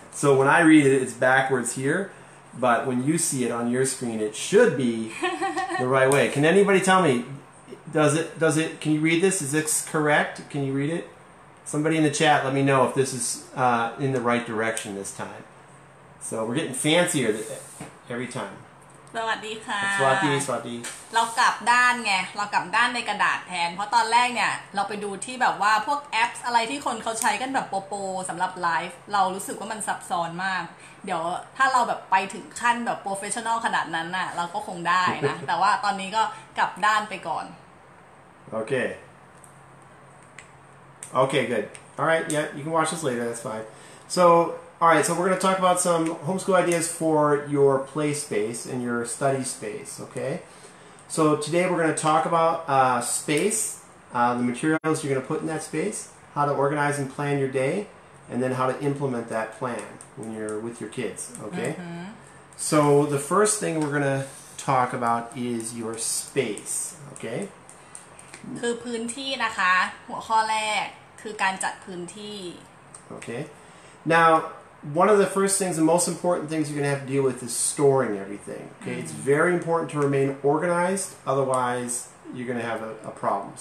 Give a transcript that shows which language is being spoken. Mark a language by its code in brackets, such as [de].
[en] So when I read it, it's backwards here, but when you see it on your screen, it should be the right way. Can anybody tell me, can you read this? Is this correct? Can you read it? Somebody in the chat, let me know if this is in the right direction this time. So we're getting fancier every time. [th] สวัสดีค่ะ สวัสดีสวัสดี เรากลับด้านไงเรากลับด้านในกระดาษแทนเพราะตอนแรกเนี่ยเราไปดูที่แบบว่าพวกแอปอะไรที่คนเขาใช้กันแบบโปโปสำหรับไลฟ์เรารู้สึกว่ามันซับซ้อนมากเดี๋ยวถ้าเราแบบไปถึงขั้นแบบโปรเฟชชั่นอลขนาดนั้นน่ะเราก็คงได้นะ แต่ว่าตอนนี้ก็กลับด้านไปก่อน [en] โอเคโอเค good all right yeah you can watch this later that's fine soAll right, so we're going to talk about some homeschool ideas for your play space and your study space, okay? So today we're going to talk about space, the materials you're going to put in that space, how to organize and plan your day, and then how to implement that plan when you're with your kids, okay? Mm-hmm. So the first thing we're going to talk about is your space, okay? [th] คือพื้นที่นะคะหัวข้อแรกคือการจัดพื้นที่ [en] Okay. Now,One of the first things, the most important things you're going to have to deal with is storing everything. Okay, mm-hmm. It's very important to remain organized, otherwise you're going to have a problem.